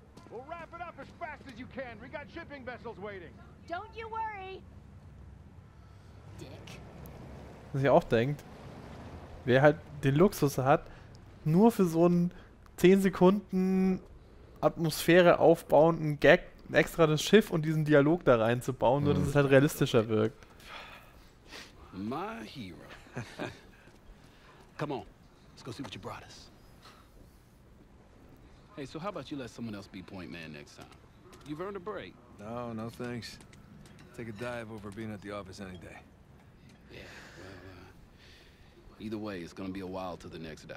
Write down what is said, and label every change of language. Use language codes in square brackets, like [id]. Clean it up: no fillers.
[en] We'll wrap it up as fast as you can. We got shipping vessels waiting. Don't you worry. Dick. [de] Was ihr auch denkt, wer halt den Luxus hat, nur für so einen 10 Sekunden Atmosphäre aufbauenden Gag extra das Schiff und diesen Dialog da reinzubauen, nur dass es halt realistischer wirkt. [en] My hero. Come on, let's go see what you brought us. Hey, so how about you let someone else be point man next time? You've earned a break. No, no thanks. Take a dive over being at the office any day. Yeah, well, either way, it's gonna be a while till the next dive.